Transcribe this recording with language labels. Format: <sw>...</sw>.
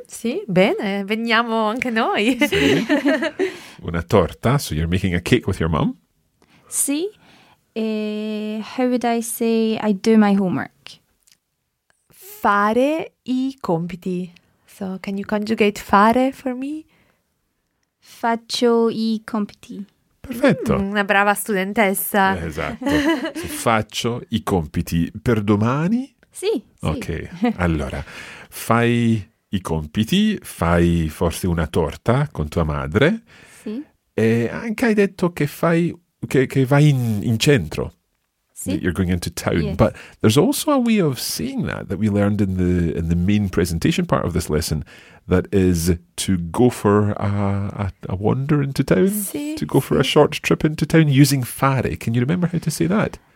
<it>Sì, bene, veniamo anche noi. Sì. Una torta,</it> <en>so you're making a cake with your mom?</en> <it>Sì, e</it> <en>how would I say I do my homework?</en> <it>Fare i compiti.</it> <en>So can you conjugate fare for me?</en> <it>Faccio i compiti. Perfetto. Una brava studentessa. Esatto. Faccio i compiti per domani? Sì. Ok. Sì. Allora, fai i compiti, fai forse una torta con tua madre. Sì. E anche hai detto che fai che vai in centro. Sì.</it> <en>You're going into town. Yes. But there's also a way of saying that we learned in the main presentation part of this lesson, that is to go for a wander into town,</en> <it>sì,</it> <en>to go for</en> <it>sì.</it> <en>a short trip into town using fare. Can you remember how to say that?</en>